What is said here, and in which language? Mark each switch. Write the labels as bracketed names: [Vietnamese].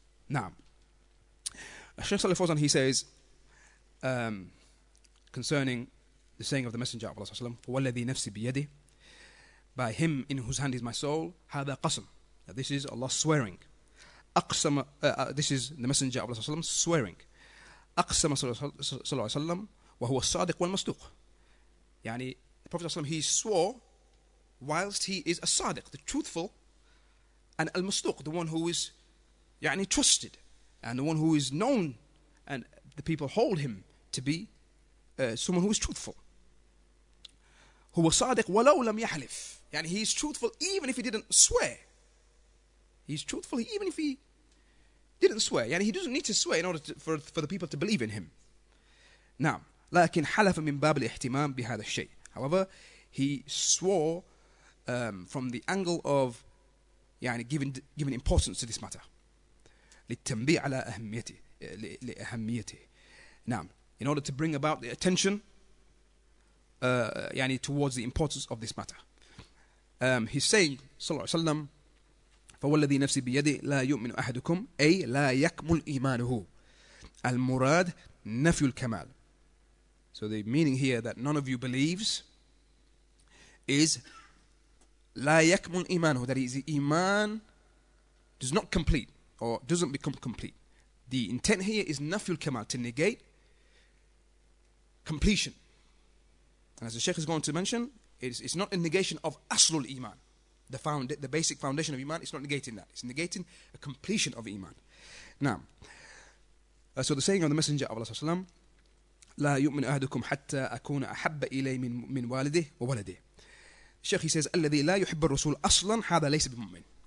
[English] Naam. Shaykh Salih Fawzan, he says, concerning the saying of the Messenger of Allah, [Arabic] فَوَلَّذِي نَفْسِ بِيَدِي, [English] by him in whose hand is my soul, [Arabic] هَذَا قَسَم, [English] now this is Allah swearing. أقسم, this is the Messenger of Allah swearing. [Arabic] أقسم صلى الله عليه وسلم وهو الصادق والمصدوق. [English] يعني the Prophet, he swore whilst he is a sadiq, the truthful, and al-mustuq, the one who is يعني trusted, and the one who is known, and the people hold him to be someone who is truthful. [Arabic] هو صادق ولو لم يحلف. [English] يعني he is truthful even if he didn't swear. He's truthful even if he didn't swear. يعني he doesn't need to swear in order to, for the people to believe in him. [Arabic] نعم. لكن حلف من باب الاهتمام بهذا الشيء. [English] However, he swore from the angle of يعني given importance to this matter. [Arabic] للتنبيه على أهميته. لأهميته. نعم. [English] In order to bring about the attention يعني towards the importance of this matter. He's saying, [Arabic] صلى الله عليه وسلم, فَوَالَّذِي نَفْسِ بِيَدِي لَا يُؤْمِنُ أَحَدُكُمْ أَيْ لَا يَكْمُلْ إِيمَانُهُ. المراد نفي الكمال. [English] So the meaning here that none of you believes is [Arabic] لا يكمل إيمانه, [English] that is, the iman does not complete or doesn't become complete. The intent here is [Arabic] نفي الكمال, [English] to negate completion. And as the Sheikh is going to mention, it's not a negation of aslul iman, the basic foundation of iman. It's not negating that. It's negating a completion of iman. Now, so the saying of the Messenger of Allah, [Arabic] لا يؤمن أهدكم حتى أكون أحب إلي من والده وولده. [English] Sheikh, he says, [Arabic] الذي لا يحب الرسول أصلا هذا ليس بمؤمن.